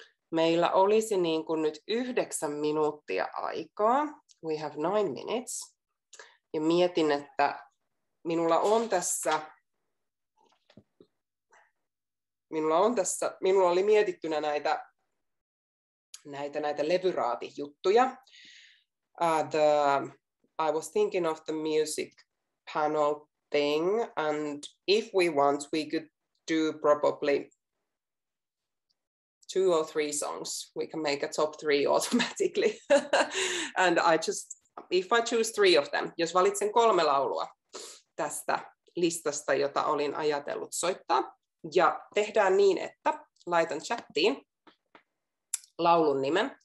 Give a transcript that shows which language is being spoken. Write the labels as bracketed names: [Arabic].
[Finnish] Meillä olisi niin kuin nyt 9 minuuttia aikaa. [English] We have 9 minutes. [Finnish] Ja mietin, että minulla oli mietittynä näitä levyraatijuttuja. [English] I was thinking of the music panel thing, and if we want, we could do probably 2 or 3 songs. We can make a top 3 automatically. And if I choose 3 of them, [Finnish] jos valitsen 3 laulua tästä listasta, jota olin ajatellut soittaa, ja tehdään niin, että laitan chattiin laulun nimen.